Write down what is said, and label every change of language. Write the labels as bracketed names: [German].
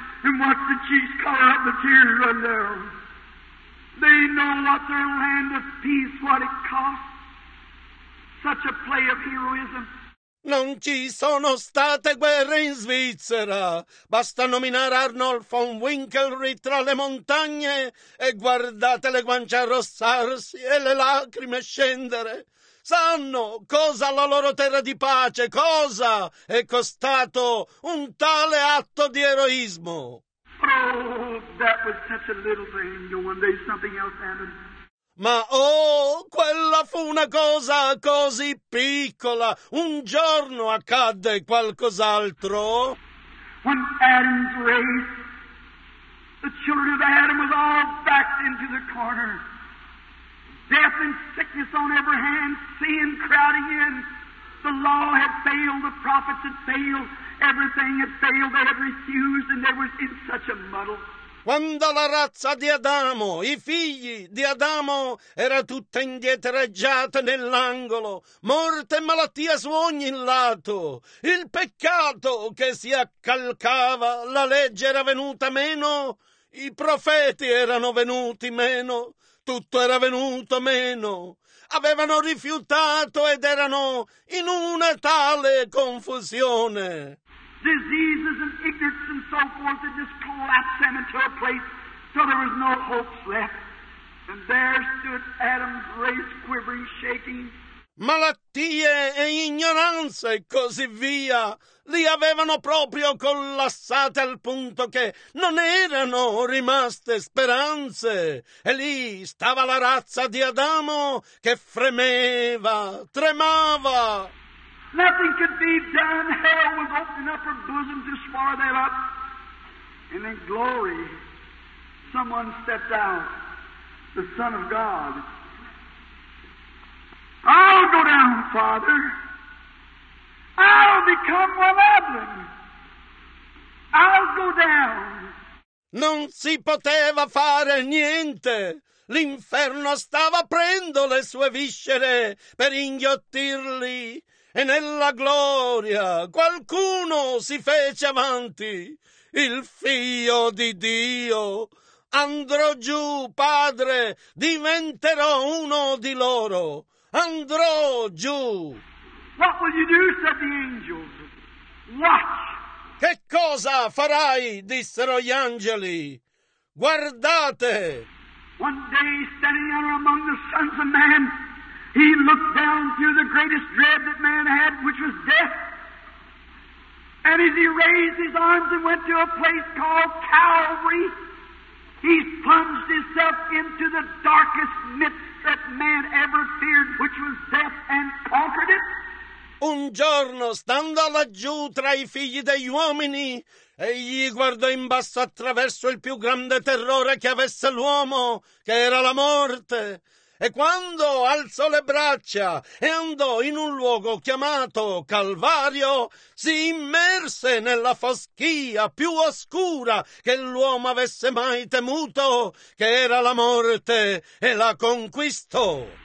[English] And watch the chiefs call out the tears run down. They know what their land of peace, what it costs. Such a play of heroism. [Italian] Non ci sono state guerre in Svizzera. Basta nominare Arnold von Winkelried tra le montagne e guardate le guance arrossarsi e le lacrime scendere. Sanno cosa la loro terra di pace, cosa è costato un tale atto di eroismo. [English] Oh, that was such a little thing. One day something else happened. [Italian] Ma oh, quella fu una cosa così piccola. Un giorno accadde qualcos'altro. [English] When Adam's race, the children of Adam was all backed into the corner. Death and sickness on every hand, sin crowding in. The law had failed, the prophets had failed, everything had failed, they had refused, and they were in such a muddle. [Italian] Quando la razza di Adamo, i figli di Adamo, era tutta indietreggiata nell'angolo, morte e malattia su ogni lato, il peccato che si accalcava, la legge era venuta meno, i profeti erano venuti meno, tutto era venuto meno. avevano rifiutato ed erano in una tale confusione. [English] Diseases and ignorance and so forth had just collapsed them into a place so there was no hopes left. And there stood Adam's race quivering, shaking. [Italian] Malattie e ignoranze e così via li avevano proprio collassate al punto che non erano rimaste speranze. E lì stava la razza di Adamo che fremeva, tremava. [English] Nothing could be done. Hell was opening up her bosom to swallow that up. And in glory, someone stepped out, the Son of God. I'll go down, Father. I'll become one of them. I'll go down. [Italian] Non si poteva fare niente. L'inferno stava aprendo le sue viscere per inghiottirli. E nella gloria qualcuno si fece avanti. Il Figlio di Dio. Andrò giù, Padre, diventerò uno di loro. Andrò giù. [English] What will you do, said the angels. Watch. [Italian] Che cosa farai, dissero gli angeli. Guardate. [English] One day, standing there among the sons of man, he looked down through the greatest dread that man had, which was death. And as he raised his arms and went to a place called Calvary, he plunged himself into the darkest midst that man ever feared, which was death, and conquered it. [Italian] Un giorno, stando laggiù tra i figli degli uomini, egli guardò in basso attraverso il più grande terrore che avesse l'uomo, che era la morte. E quando alzò le braccia e andò in un luogo chiamato Calvario, si immerse nella foschia più oscura che l'uomo avesse mai temuto, che era la morte, e la conquistò.